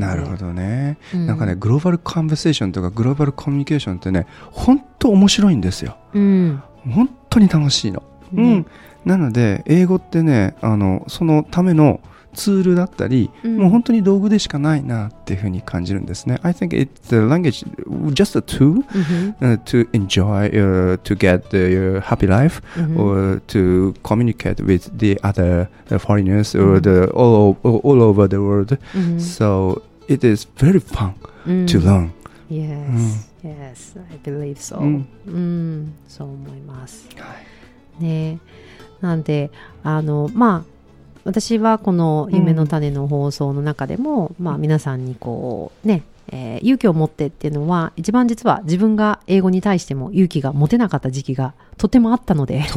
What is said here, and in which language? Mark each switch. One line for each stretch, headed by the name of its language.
Japanese: なるほどね、なんかね、グローバルコンバセーションとかグローバルコミュニケーションってね、本当面白いんですよ、本当に楽しいの、なので英語ってね、そのためのツールだったり、もう本当に道具でしかないなっていうふうに感じるんですね。
English: I think it's a language just a tool、to enjoy、to get your happy life、or to communicate with the other foreigners、or the all over the world、so it is very fun、to learn、 yes I believe so、
Japanese: そう思います、ね、なんでまあ私はこの夢の種の放送の中でも、まあ皆さんにこうね、勇気を持ってっていうのは、一番実は自分が英語に対しても勇気が持てなかった時期がとてもあったので。